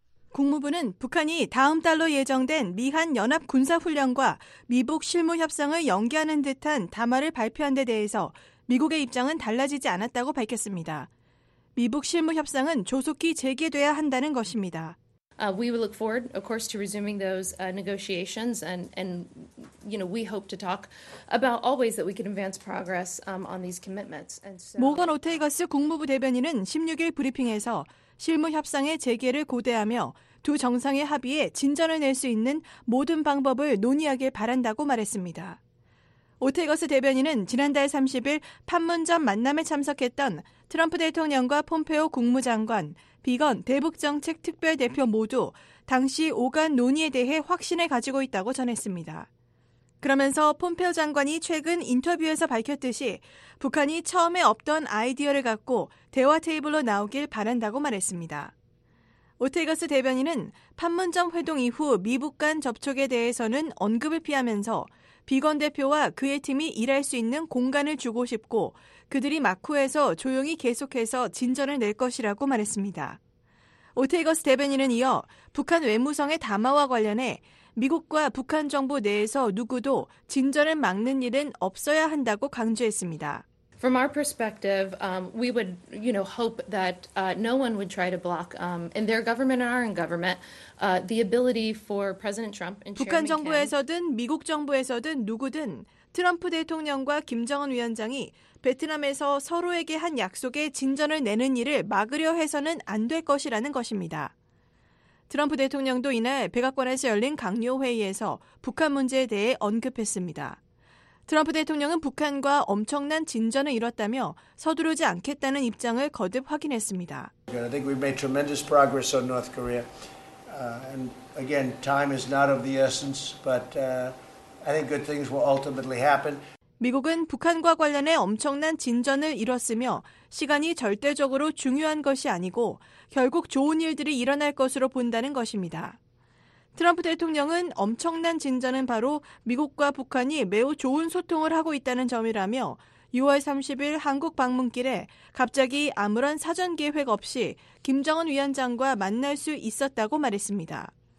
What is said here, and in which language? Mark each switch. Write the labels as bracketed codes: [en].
[ko] 국무부는 북한이 다음 달로 예정된 미한연합군사훈련과 미북 실무협상을 연기하는 듯한 담화를 발표한 데 대해서 미국의 입장은 달라지지 않았다고 밝혔습니다. 미북 실무협상은 조속히 재개돼야 한다는 것입니다. [en] We will look forward, of course, to resuming those negotiations, and you know, we hope to talk about all ways that we can advance progress on these commitments. And [ko] so, 모건 오테이거스 국무부 대변인은 16일 브리핑에서 실무 협상의 재개를 고대하며 두 정상의 합의에 진전을 낼 수 있는 모든 방법을 논의하길 바란다고 말했습니다. 오테이거스 대변인은 지난달 30일 판문점 만남에 참석했던 트럼프 대통령과 폼페오 국무장관, 비건 대북정책특별대표 모두 당시 오간 논의에 대해 확신을 가지고 있다고 전했습니다. 그러면서 폼페오 장관이 최근 인터뷰에서 밝혔듯이 북한이 처음에 없던 아이디어를 갖고 대화 테이블로 나오길 바란다고 말했습니다. 오테이거스 대변인은 판문점 회동 이후 미북 간 접촉에 대해서는 언급을 피하면서 비건 대표와 그의 팀이 일할 수 있는 공간을 주고 싶고 그들이 마쿠에서 조용히 계속해서 진전을 낼 것이라고 말했습니다. 오테이거스 대변인은 이어 북한 외무성의 담화와 관련해 미국과 북한 정부 내에서 누구도 진전을 막는 일은 없어야 한다고 강조했습니다. [en] From our perspective, we would, you know, hope that no one would try to block in their government and our own government the ability for President Trump and Chairman Kim. [ko] 북한 정부에서든 미국 정부에서든 누구든 트럼프 대통령과 김정은 위원장이 베트남에서 서로에게 한 약속에 진전을 내는 일을 막으려 해서는 안 될 것이라는 것입니다. 트럼프 대통령도 이날 백악관에서 열린 강요 회의에서 북한 문제에 대해 언급했습니다. 트럼프 대통령은 북한과 엄청난 진전을 이뤘다며 서두르지 않겠다는 입장을 거듭 확인했습니다. [en] I think we've made tremendous progress on North Korea. And again, time is not of the essence, but I think good things will ultimately happen. [ko] 미국은 북한과 관련해 엄청난 진전을 이뤘으며 시간이 절대적으로 중요한 것이 아니고 결국 좋은 일들이 일어날 것으로 본다는 것입니다. 트럼프 대통령은 엄청난 진전은 바로 미국과 북한이 매우 좋은 소통을 하고 있다는 점이라며 6월 30일 한국 방문길에 갑자기 아무런 사전 계획 없이 김정은 위원장과 만날 수 있었다고 말했습니다.